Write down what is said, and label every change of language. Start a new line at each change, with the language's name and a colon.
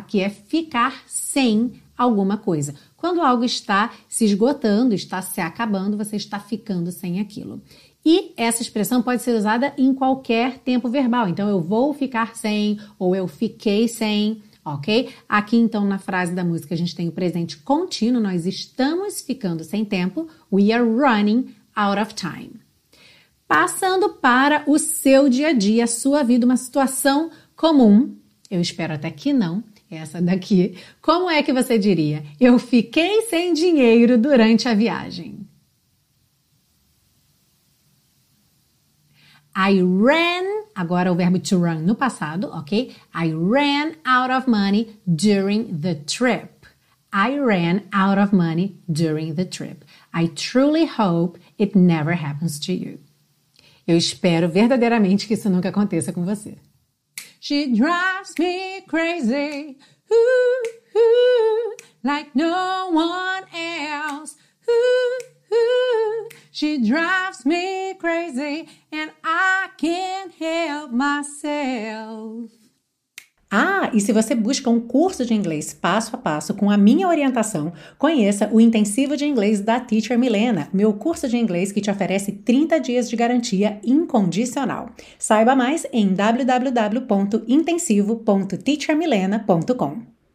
Portuguese: Que é ficar sem alguma coisa. Quando algo está se esgotando, está se acabando, você está ficando sem aquilo. E essa expressão pode ser usada em qualquer tempo verbal. Então, eu vou ficar sem ou eu fiquei sem, ok? Aqui, então, na frase da música, a gente tem o presente contínuo. Nós estamos ficando sem tempo.
English: We are running out of time.
Portuguese: Passando para o seu dia a dia, a sua vida, uma situação comum, eu espero até que não, essa daqui. Como é que você diria? Eu fiquei sem dinheiro durante a viagem.
English: I ran,
Portuguese: agora o verbo to run no passado, ok?
English: I ran out of money during the trip. I ran out of money during the trip. I truly hope it never happens to you.
Portuguese: Eu espero verdadeiramente que isso nunca aconteça com você.
English: She drives me crazy, ooh, ooh, like no one else, ooh, ooh. She drives me crazy and I can't help myself.
Portuguese: Ah, e se você busca um curso de inglês passo a passo com a minha orientação, conheça o Intensivo de Inglês da Teacher Milena, meu curso de inglês que te oferece 30 dias de garantia incondicional. Saiba mais em www.intensivo.teachermilena.com.